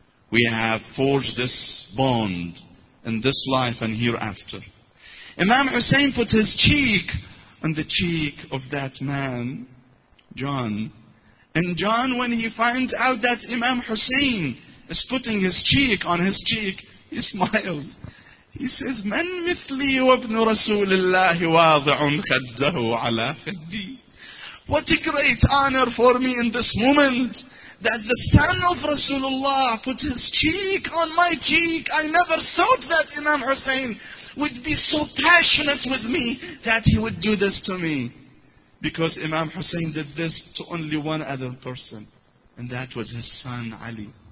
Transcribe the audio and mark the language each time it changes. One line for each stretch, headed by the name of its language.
English: We have forged this bond in this life and hereafter. Imam Hussein put his cheek on the cheek of that man, John. And John, when he finds out that Imam Hussein is putting his cheek on his cheek, he smiles. He says,
Arabic: من مثلي وابن رسول الله واضع خده على خدي.
English: What a great honor for me in this moment that the son of Rasulullah put his cheek on my cheek. I never thought that Imam Hussein would be so passionate with me that he would do this to me. Because Imam Hussein did this to only one other person, and that was his son Ali.